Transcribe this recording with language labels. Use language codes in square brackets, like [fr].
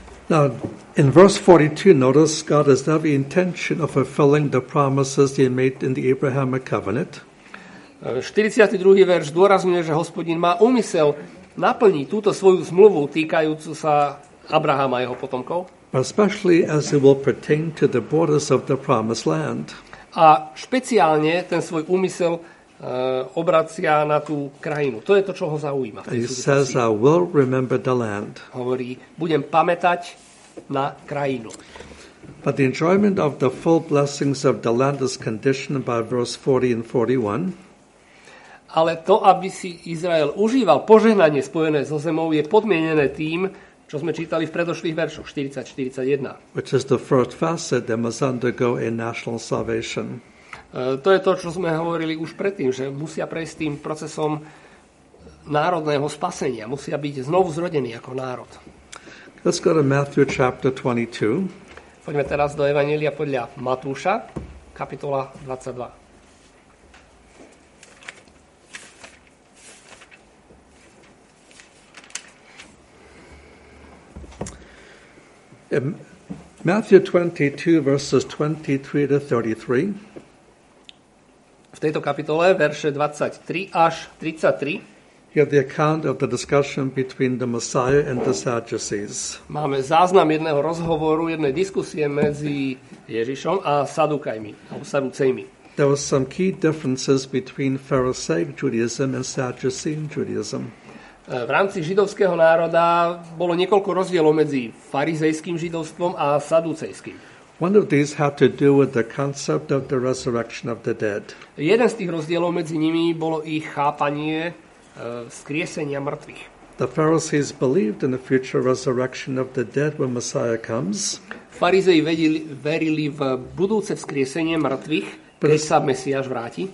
[en] Now, in verse 42, notice God has every intention of fulfilling the promises he made in the Abrahamic covenant. 42. [sk] verš zdôrazňuje, že Hospodin má úmysel naplniť túto svoju zmluvu týkajúcu sa Abraháma a jeho potomkov. [en] Especially as it will pertain to the borders of the promised land. [sk] A špeciálne ten svoj úmysel obracia na tú krajinu. To je to, čo ho zaujíma. [en] He says, I will remember the land. [sk] Hovorí, budem pamätať na krajinu. [en] But the enjoyment of the full blessings of the land is conditioned by verse 40 and 41. [sk] Ale to, aby si Izrael užíval požehnanie spojené so zemou, je podmienené tým, čo sme čítali v predošlých veršoch 40-41. [en] Which is the first facet that must undergo a national salvation. [sk] To je to, čo sme hovorili už predtým, že musia prejsť tým procesom národného spasenia. Musia byť znovu zrodení ako národ. [en] Let's go to Matthew chapter 22. [sk] Poďme teraz do Evanjelia podľa Matúša, kapitola 22. [en] Matthew 22, verses 23-33. [sk] V tejto kapitole, verše 23 až 33, [en] you have the account of the discussion between the Messiah and the Sadducees. [sk] Máme záznam jedného rozhovoru, jednej diskusie medzi Ježišom a Sadukajmi, alebo Sadúcejmi. [en] There were some key differences between Pharisaic Judaism and Sadducean Judaism. [sk] V rámci židovského národa bolo niekoľko rozdielov medzi farizejským židovstvom a sadúcejským. [en] One of these had to do with the concept of the resurrection of the dead. [sk] Jeden z tých rozdielov medzi nimi bolo ich chápanie vzkriesenia mŕtvych. [en] The Pharisees believed in the future resurrection of the dead when Messiah comes. [sk] Farizei verili v budúce vzkriesenie mŕtvych, keď sa Mesiáš vráti.